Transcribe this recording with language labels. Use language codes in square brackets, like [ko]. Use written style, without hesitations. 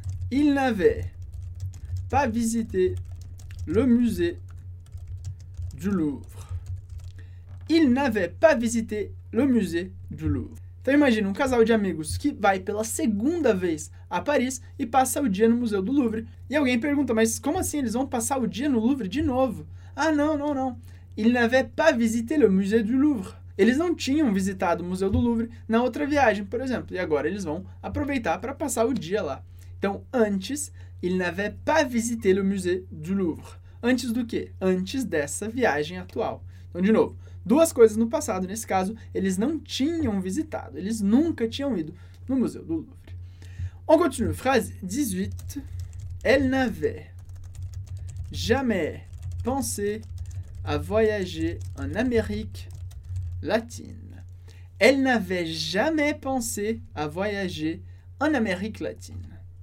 [fr] Il n'avait pas visité le musée du Louvre. Il n'avait pas visité le musée du Louvre. [pt] Então imagina um casal de amigos que vai pela segunda vez a Paris e passa o dia no Museu do Louvre. E alguém pergunta, mas como assim eles vão passar o dia no Louvre de novo? Ah, não. [fr] Il n'avait pas visité le Musée du Louvre. [pt] Eles não tinham visitado o Museu do Louvre na outra viagem, por exemplo. E agora eles vão aproveitar para passar o dia lá. Então, antes, [fr] il n'avait pas visité le Musée du Louvre. [pt] Antes do quê? Antes dessa viagem atual. Então, de novo, duas coisas no passado. Nesse caso, eles não tinham visitado. Eles nunca tinham ido no Museu do Louvre. [fr] On continue, phrase 18. Elle n'avait jamais pensé à voyager en Amérique latine. Elle n'avait jamais pensé à voyager en Amérique latine.